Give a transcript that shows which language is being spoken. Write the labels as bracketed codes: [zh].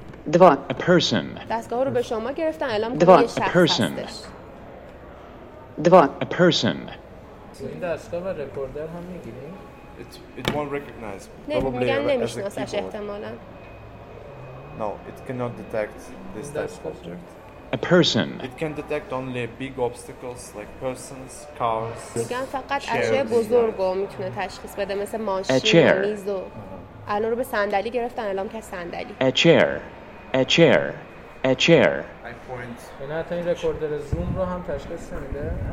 [en] Devon, a person. [fa] دستگاه رو به شما گرفتن، اعلام میکنه که شخص هستش. [en] Devon, a person. [fa] این دستگاه و رکوردر هم میگیریم؟ [en] It won't recognize. [fa] نه، میگن نمیشناسش احتمالا. [en] No, it cannot detect this type of object. A person. It can detect only big obstacles like persons, cars. [fa] میگن فقط اشیاء بزرگ رو میتونه تشخیص بده، مثل ماشین، میز و الان رو به صندلی گرفتن، الان که صندلی. [en] A chair. I point. [fa] این حتی رکوردر زوم رو هم تشخیص نمیده؟